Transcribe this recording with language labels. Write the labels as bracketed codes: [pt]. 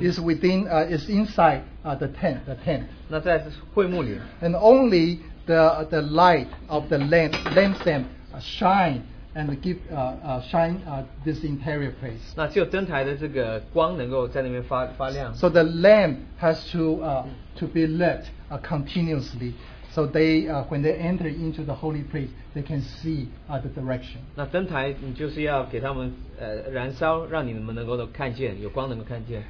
[en] It's within it's inside the tent. [zh] 那在会幕里。 [en] And only the light of the lampstand shine. And give shine this interior place. [zh] 那只有灯台的这个光能够在那边发亮。 [en] So the lamp has to be lit continuously, So they, when they enter into the holy place, they can see the direction. [zh] 那灯台你就是要给他们, 燃烧, 让你们能够看见, 有光能够看见。